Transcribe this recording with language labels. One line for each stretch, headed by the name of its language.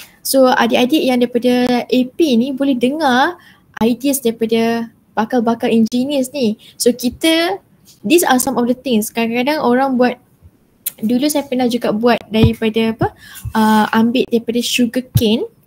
Malay: So adik-adik yang daripada AP ni boleh dengar ideas daripada bakal-bakal engineers ni.
English: So kita, these are some of the things.
Malay: Kadang-kadang orang buat, dulu saya pernah juga buat daripada apa, ambil daripada sugar cane.